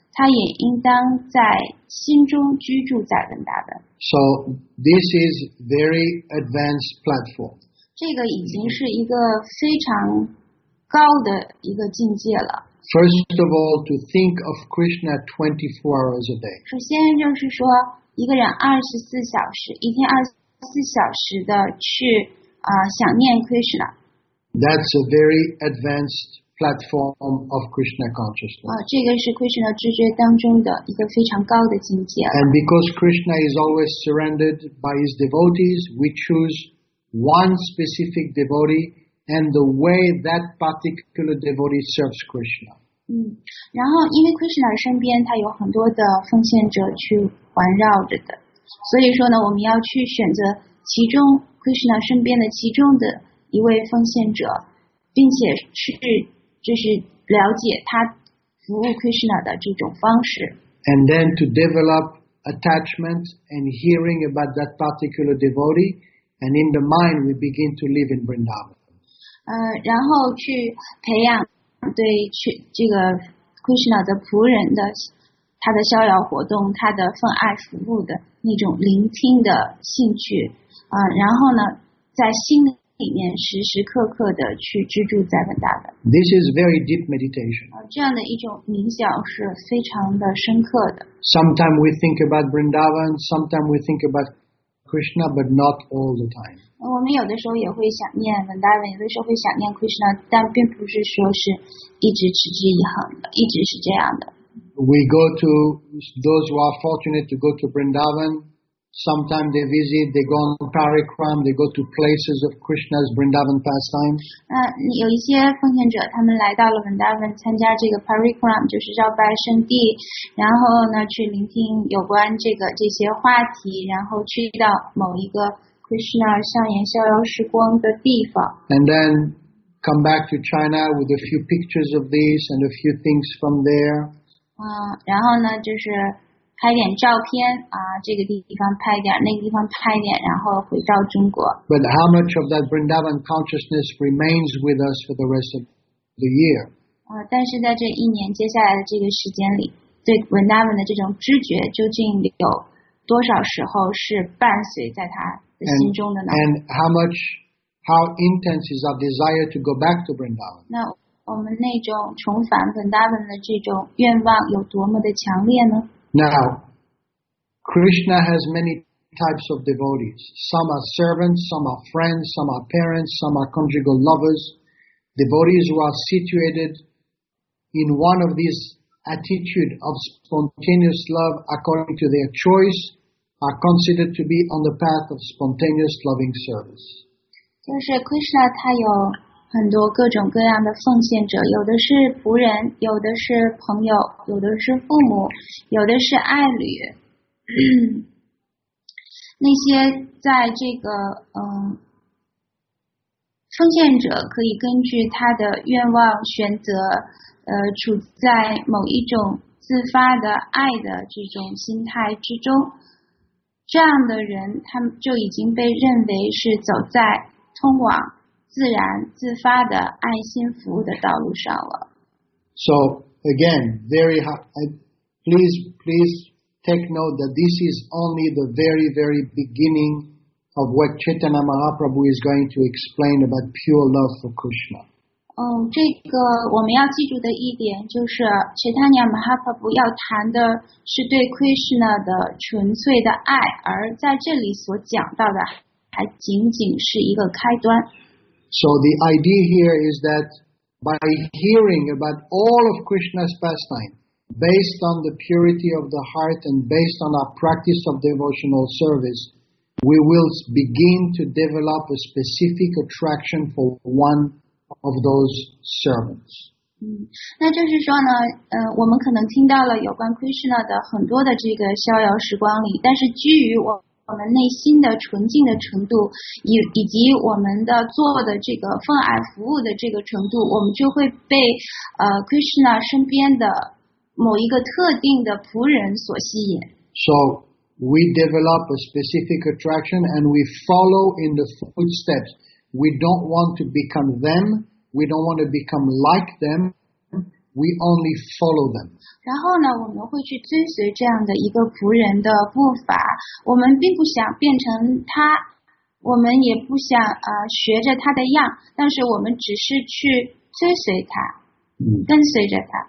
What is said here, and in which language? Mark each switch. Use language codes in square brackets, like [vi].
[zh] 他也应当在心中居住在文达本。 [en] So this is very advanced platform. [zh] 这个已经是一个非常高的一个境界了。 [en] First of all, to think of Krishna 24 hours a day. [zh] 首先就是说，一个人24小时，一天24小时的去想念 Krishna。 [en] That's a very advanced platform of Krishna consciousness. [zh] 这个是 Krishna 知觉当中的一个非常高的境界。 [en] And because Krishna is always surrounded by his devotees, we choose one specific devotee and the way that particular devotee serves Krishna. [zh] 然后因为 Krishna 身边他有很多的奉献者去环绕着的，所以说呢，我们要去选择其中 Krishna 身边的其中的一位奉献者，并且是就是了解他服务 Krishna 的这种方式。 [en] And then to develop attachment and hearing about that particular devotee, and in the mind we begin to live in Vrindavan. [zh] 然后去培养对去这个 Krishna 的仆人的他的逍遥活动、他的奉爱服务的那种聆听的兴趣。然后呢，在心里。里面时时刻刻的去居住在文达本。 [en] This is very deep meditation. [zh] 这样的一种冥想是非常的深刻的。 [en] Sometimes we think about Vrindavan, sometimes we think about Krishna, but not all the time. [zh] 我们有的时候也会想念文达本，有的时候会想念 Krishna, 但并不是说是一直持之以恒的，一直是这样的。 [en] We go to those who are fortunate to go to Vrindavan. Sometimes they visit, they go on parikram, they go to places of Krishna's Vrindavan pastime. [zh] 有一些奉献者他们来到了 Vrindavan 参加这个 parikram, 就是绕拜圣地，然后呢去聆听有关这个这些话题，然后去到某一个 Krishna 向阳逍遥时光的地方。 [en] And then come back to China with a few pictures of this and a few things from there. [zh] 然后呢就是拍点照片这个地方拍点，那个地方拍点，然后回到中国。 [en] But how much of that Vrindavan consciousness remains with us for the rest of the year? [zh] 但是在这一年接下来的这个时间里，对 Vrindavan 的这种知觉究竟有多少时候是伴随在他的心中的呢？ [en] And how intense is our desire to go back to Vrindavan? [zh] 那我们那种重返 Vrindavan 的这种愿望有多么的强烈呢？ [en] Now, Krishna has many types of devotees. Some are servants, some are friends, some are parents, some are conjugal lovers. Devotees who are situated in one of these attitudes of spontaneous love according to their choice are considered to be on the path of spontaneous loving service. [zh] 就是 Krishna 他有很多各种各样的奉献者，有的是仆人，有的是朋友，有的是父母，有的是爱侣。那些在这个奉献者可以根据他的愿望选择处在某一种自发的爱的这种心态之中，这样的人他们就已经被认为是走在通往自然自发的爱心服务的道路上了。 [en] So again, very high. Please take note that this is only the very, very beginning of what Chaitanya Mahaprabhu is going to explain about pure love for Krishna. [zh] 这个我们要记住的一点就是 Chaitanya Mahaprabhu 要谈的是对 Krishna 的纯粹的爱，而在这里所讲到的还仅仅是一个开端。 [en] So the idea here is that by hearing about all of Krishna's pastime, based on the purity of the heart and based on our practice of devotional service, we will begin to develop a specific attraction for one of those servants. [zh] 那就是说呢，我们可能听到了有关 Krishna 的很多的这个逍遥时光里，但是基于我们内心的纯净的程度，以及我们的做的这个奉爱服务的这个程度，我们就会被Krishna 身边的某一个特定的仆人所吸引。 [en] So we develop a specific attraction and we follow in the footsteps. We don't want to become them. We don't want to become like them. We only follow them. [zh] 然后呢，我们会去追随这样的一个仆人的步伐。我们并不想变成他，我们也不想学着他的样，但是我们只是去追随他，跟随着他。